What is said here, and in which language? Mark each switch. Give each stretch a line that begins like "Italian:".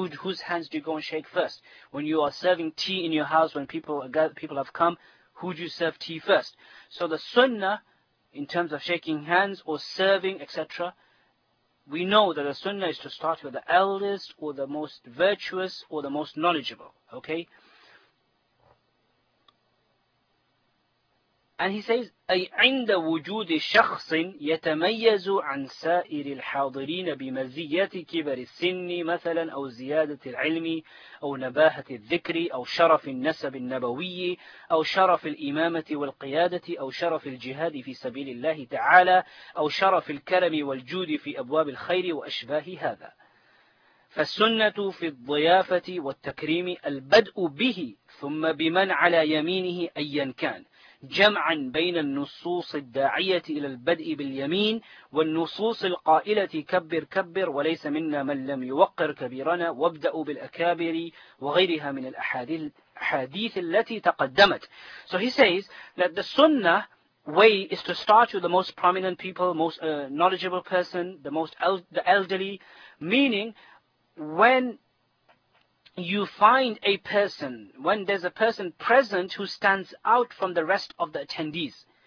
English: Whose hands do you go and shake first? When you are serving tea in your house, when people have come, who do you serve tea first? So the sunnah, in terms of shaking hands or serving, etc., we know that the sunnah is to start with the eldest or the most virtuous or the most knowledgeable. Okay? And he says,
Arabic: أي عند وجود شخص يتميز عن سائر الحاضرين بمزية كبر السن مثلا أو زيادة العلم أو نباهة الذكر أو شرف النسب النبوي أو شرف الإمامة والقيادة أو شرف الجهاد في سبيل الله تعالى أو شرف الكرم والجود في أبواب الخير وأشباه هذا فالسنة في الضيافة والتكريم البدء به ثم بمن على يمينه أيا كان جمعا بين النصوص الداعية إلى البدء باليمين والنصوص القائلة كبر كبر وليس منا من لم يوقر كبيرنا وابدأوا بالأكابر وغيرها من الأحاديث التي تقدمت.
English: So he says that the sunnah way is to start with the most prominent people, most knowledgeable person, the elderly, meaning when you find a person, when there's a person present who stands out from the rest of the attendees.